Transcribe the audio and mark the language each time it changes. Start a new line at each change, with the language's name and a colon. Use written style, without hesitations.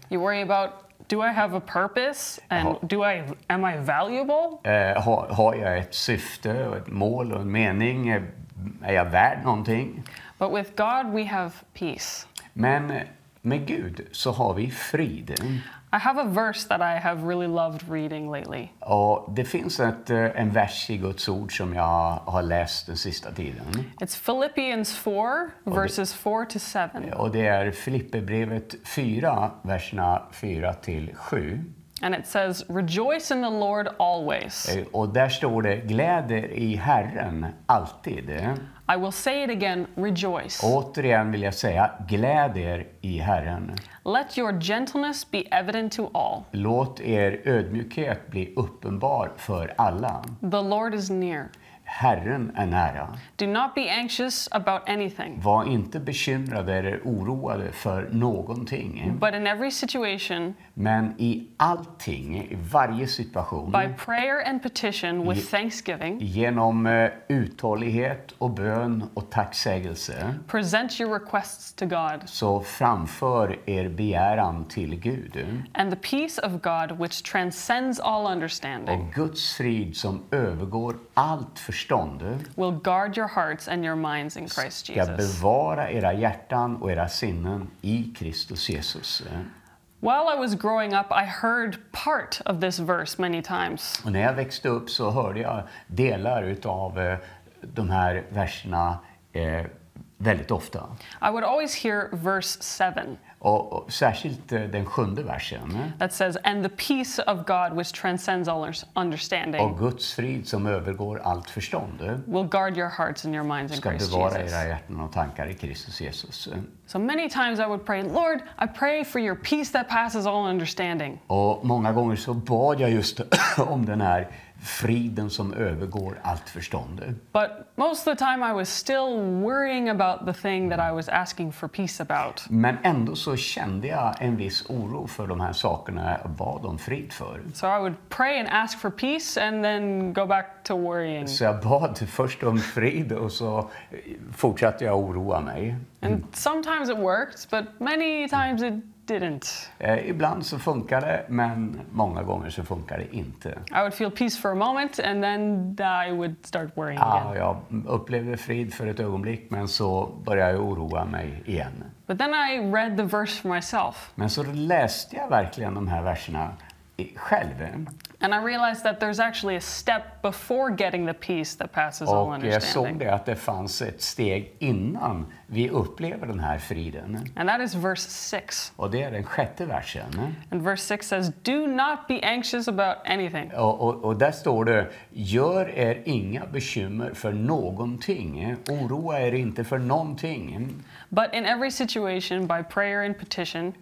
English: You worry about, do I have a purpose? And am I valuable?
Swedish: Har jag ett syfte, ett mål och en mening? Är jag värd någonting?
English: But with God we have peace.
Swedish: Men med Gud så har vi frid.
English: I have a verse that I have really loved reading lately.
Swedish: Och det finns en vers i Guds ord som jag har läst den sista tiden.
English: It's Philippians 4, verses 4 to 7.
Swedish: Och det är Filipperbrevet 4, verserna 4 till 7.
English: And it says, rejoice in the Lord always.
Swedish: Och där står det, gläd er i Herren alltid.
English: I will say it again, rejoice.
Swedish: Återigen vill jag säga, gläd er i Herren.
English: Let your gentleness be evident to all.
Swedish: Låt er ödmjukhet bli uppenbar för alla.
English: The Lord is near.
Swedish: Herren är nära.
English: Do not be anxious about anything.
Swedish: Var inte bekymrade eller oroade för någonting.
English: But in every situation.
Swedish: Men i allting, i varje situation.
English: By prayer and petition with thanksgiving.
Swedish: Genom uthållighet och bön och tacksägelse.
English: Present your requests to God.
Swedish: Så framför er begäran till Gud.
English: And the peace of God which transcends all understanding.
Swedish: Och Guds frid som övergår allt förstånd,
English: will guard your hearts and your minds in Christ Jesus.
Swedish: Ska bevara era hjärtan och era sinnen i Kristus Jesus.
English: While I was growing up, I heard part of this verse many times.
Swedish: Och när jag växte upp så hörde jag delar utav de här verserna väldigt ofta.
English: I would always hear verse 7.
Swedish: Och särskilt den sjunde versen.
English: That says, and the peace of God which transcends all understanding.
Swedish: Och Guds frid som övergår allt förstånd.
English: Will guard your hearts and your minds in Christ Jesus.
Swedish: Ska bevara era hjärtan och tankar i Kristus Jesus.
English: So many times I would pray, Lord, I pray for your peace that passes all understanding.
Swedish: Och många gånger så bad jag just om den här friden som övergår allt förstånd.
English: But most of the time I was still worrying about the thing that I was asking for peace about.
Swedish: Men ändå så kände jag en viss oro för de här sakerna jag bad om frid för.
English: So I would pray and ask for peace and then go back to worrying.
Swedish: Så jag bad först om frid och så fortsatte jag oroa mig.
English: And sometimes it worked, but many times it didn't.
Swedish: Ibland så funkar det, men många gånger så funkar det inte.
English: I would feel peace for a moment and then I would start worrying again.
Swedish: Jag upplevde frid för ett ögonblick, men så började jag oroa mig igen.
English: But then I read the verse for myself.
Swedish: Men så läste jag verkligen de här verserna själv.
English: And I realized that there's actually a step before getting the peace that passes
Swedish: och
English: all understanding.
Swedish: Jag såg det att det fanns ett steg innan vi upplever den här friden.
English: And that is verse 6.
Swedish: Och det är den sjätte versen.
English: And verse 6 says, do not be anxious about anything.
Swedish: Och där står det, gör er inga bekymmer för någonting. Oroa er inte för någonting.
English: But in every situation, by prayer and petition.